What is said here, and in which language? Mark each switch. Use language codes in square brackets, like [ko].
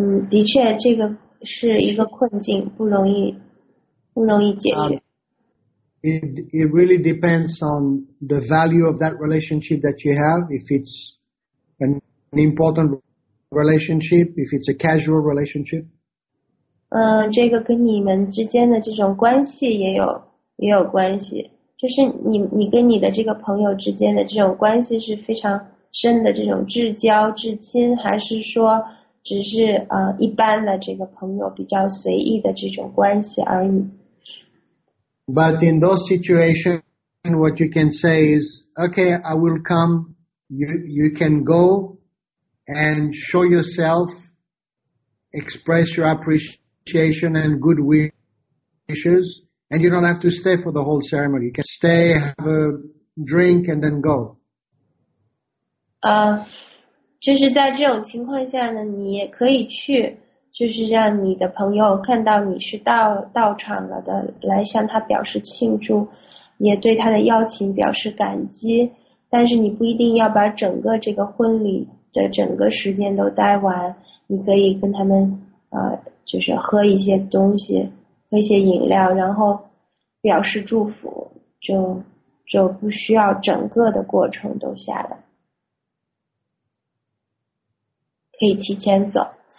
[zh] 的确，这个是一个困境，不容易解决。 [en] It really depends on the value of that relationship that you have. If it's an important relationship, if it's a casual relationship. [zh] 这个跟你们之间的这种关系也有关系。就是你跟你的这个朋友之间的这种关系是非常深的这种至交至亲，还是说只是一般的这个朋友比较随意的这种关系而已。 [en] But in those situations, what you can say is, okay, I will come, you can go and show yourself, express your appreciation and good wishes, and you don't have to stay for the whole ceremony. You can stay, have a drink, and then go. [zh] 就是在这种情况下呢，你也可以去。就是让你的朋友看到你是到场了的，来向他表示庆祝，也对他的邀请表示感激。但是你不一定要把整个这个婚礼的整个时间都待完，你可以跟他们就是喝一些东西，喝一些饮料，然后表示祝福，就不需要整个的过程都下来，可以提前走。